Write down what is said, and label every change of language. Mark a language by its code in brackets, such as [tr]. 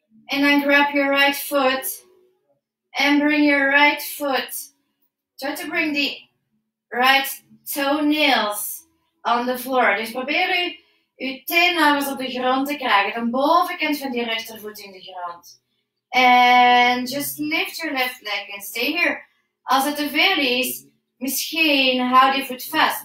[en] And then grab your right foot and bring your right foot. Try to bring the right toenails on the floor. [nl] Dus probeer je teennagels op de grond te krijgen. De bovenkant van die rechtervoet in de grond. [en] And just lift your left leg and stay here. [nl] Als het te veel is, misschien houd je voet vast.